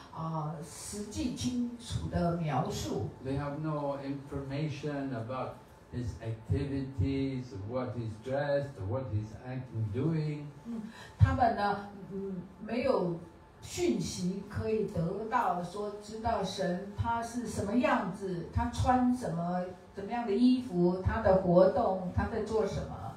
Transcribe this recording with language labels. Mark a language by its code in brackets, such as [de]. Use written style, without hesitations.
[zh] 但是在其他宗教，人们也会提到神，但是他们没有对神的一些比较实际清楚的描述。 [en] They have no information about his activities, what he's dressed, what he's acting doing. [zh] 他们呢，没有讯息可以得到说知道神他是什么样子，他穿什么，怎么样的衣服，他的活动，他在做什么。